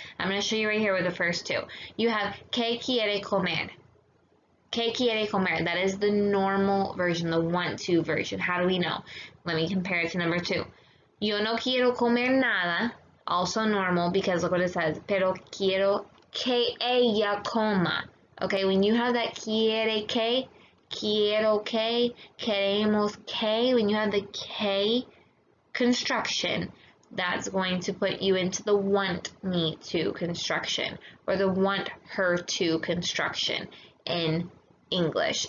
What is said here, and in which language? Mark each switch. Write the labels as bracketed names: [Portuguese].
[English] I'm going to show you right here with the first two. You have [Spanish] que quiere comer. Que quiere comer. [English] That is the normal version, the want to version. How do we know? Let me compare it to number two. [Spanish] Yo no quiero comer nada. [English] Also normal because look what it says. [Spanish] Pero quiero que ella coma. [English] Okay, when you have that [Spanish] quiere que. Quiero que, queremos que. [English] When you have the que construction, that's going to put you into the want me to construction or the want her to construction in English.